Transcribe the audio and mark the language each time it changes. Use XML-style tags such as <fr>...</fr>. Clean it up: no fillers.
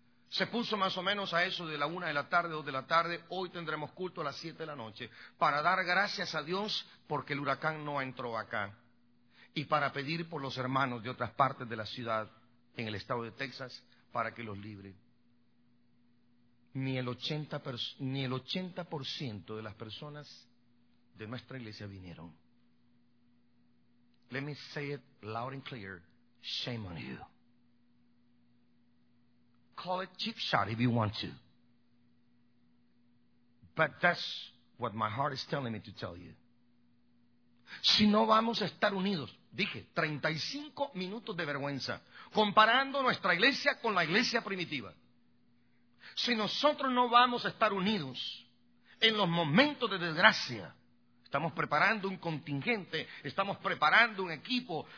<es>Se puso más o menos a eso de la 1 de la tarde, 2 de la tarde. Hoy tendremos culto a las 7 de la noche para dar gracias a Dios porque el huracán no entró acá. Y para pedir por los hermanos de otras partes de la ciudad en el estado de Texas para que los libre. Ni el 80% de las personas de nuestra iglesia vinieron.</es> <en>Let me say it loud and clear. Shame on you. Call it cheap shot if you want to. But that's what my heart is telling me to tell you.</en> <es>Si no vamos a estar unidos, dije, 35 minutos de vergüenza, comparando nuestra iglesia con la iglesia primitiva. Si nosotros no vamos a estar unidos en los momentos de desgracia, estamos preparando un contingente, estamos preparando un equipo.</es>